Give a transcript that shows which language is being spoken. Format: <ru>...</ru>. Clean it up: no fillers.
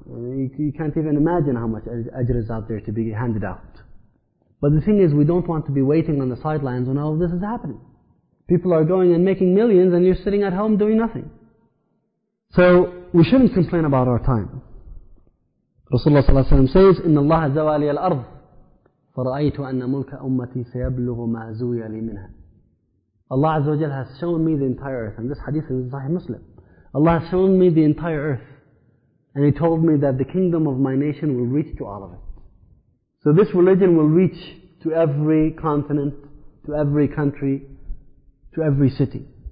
<en>You can't even imagine how much ajr is out there to be handed out. But the thing is, we don't want to be waiting on the sidelines when all of this is happening. People are going and making millions and you're sitting at home doing nothing. So, we shouldn't complain about our time. Rasulullah ﷺ says,</en> <ar>إِنَّ اللَّهَ زَوَالِيَ الْأَرْضِ فَرَأَيْتُ أَنَّ مُلْكَ أُمَّتِي سَيَبْلُغُ مَا زُوِيَ لِي مِنْهَا.</ar> <en>Allah Azza wa Jal has shown me the entire earth. And this hadith is in Sahih Muslim. Allah has shown me the entire earth. And He told me that the kingdom of my nation will reach to all of it. So this religion will reach to every continent, to every country, to every city.</en>